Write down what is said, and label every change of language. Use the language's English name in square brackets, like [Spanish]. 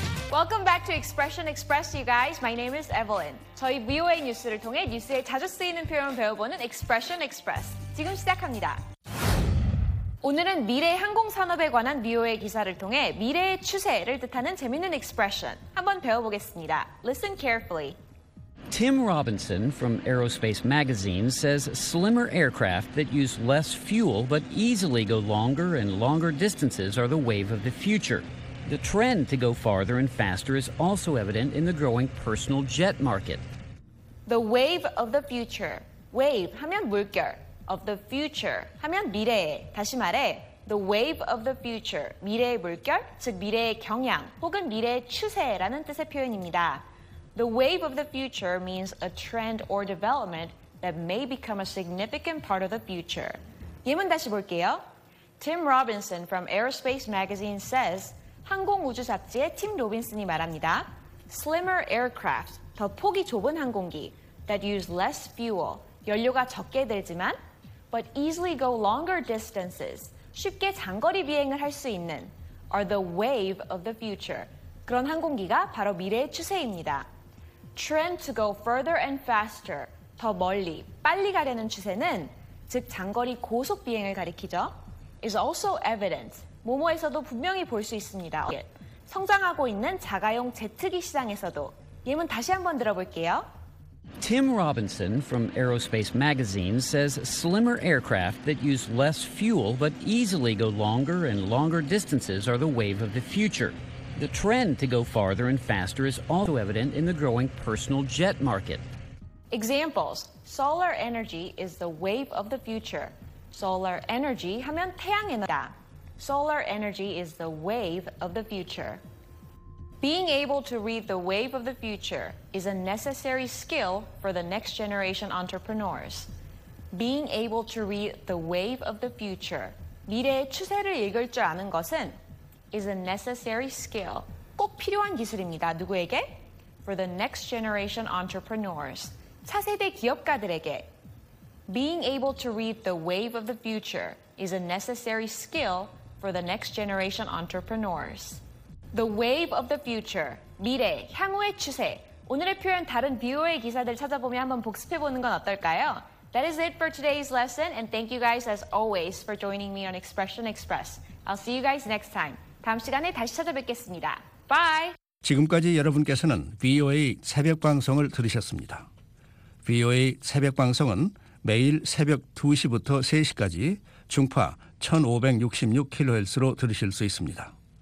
[English] Welcome back to Expression Express, you guys. My name is Evelyn. [Korean] 저희 VOA 뉴스를 통해 뉴스에 자주 쓰이는 표현을 배워보는 Expression Express. 지금 시작합니다. 오늘은 미래 항공산업에 관한 VOA 기사를 통해 미래의 추세를 뜻하는 재미있는 expression 한번 배워보겠습니다. [English] Listen carefully. Tim Robinson from Aerospace Magazine says slimmer aircraft that use less fuel but easily go longer and longer distances are the wave of the future. The trend to go farther and faster is also evident in the growing personal jet market. The wave of the future. Wave [Korean] 하면 물결. [English] Of the future [Korean] 하면 미래에. 다시 말해, [English] the wave of the future. [Korean] 미래의 물결, 즉 미래의 경향 혹은 미래의 추세라는 뜻의 표현입니다. [English] The wave of the future means a trend or development that may become a significant part of the future. [Korean] 예문 다시 볼게요. [English] Tim Robinson from Aerospace Magazine says, [Korean] 항공우주잡지의 팀 로빈슨이 말합니다. [English] Slimmer aircraft, [Korean] 더 폭이 좁은 항공기, [English] that use less fuel, [Korean] 연료가 적게 들지만, [English] but easily go longer distances, [Korean] 쉽게 장거리 비행을 할 수 있는, [English] are the wave of the future. [Korean] 그런 항공기가 바로 미래의 추세입니다. [English] Trend to go further and faster, [Korean] 더 멀리, 빨리 가려는 추세는, 즉 장거리 고속 비행을 가리키죠, [English] is also evident. [Korean] 모모에서도 분명히 볼 수 있습니다. 성장하고 있는 자가용 제트기 시장에서도. 예문 다시 한번 들어볼게요. [English] Tim Robinson from Aerospace Magazine says slimmer aircraft that use less fuel but easily go longer and longer distances are the wave of the future. The trend to go farther and faster is also evident in the growing personal jet market. Examples: solar energy is the wave of the future. [Korean] Solar energy 하면 태양입니다. [English] Solar energy is the wave of the future. Being able to read the wave of the future is a necessary skill for the next generation entrepreneurs. Being able to read the wave of the future, [Korean] 미래의 추세를 읽을 줄 아는 것은 [English] is a necessary skill, [Korean] 꼭 필요한 기술입니다. 누구에게? [English] For the next generation entrepreneurs, [Korean] 차세대 기업가들에게. [English] Being able to read the wave of the future is a necessary skill for the next generation entrepreneurs. The wave of the future, [Korean] 미래, 향후의 추세. 오늘의 표현 다른 BOA 기사들 찾아보며 한번 복습해보는 건 어떨까요? [English] That is it for today's lesson, and thank you guys as always for joining me on Expression Express. I'll see you guys next time. [Korean] 다음 시간에 다시 찾아뵙겠습니다. [English] Bye! [Korean] 지금까지 여러분께서는 BOA 새벽 방송을 들으셨습니다. BOA 새벽 방송은 매일 새벽 2시부터 3시까지 중파 1566kHz로 들으실 수 있습니다.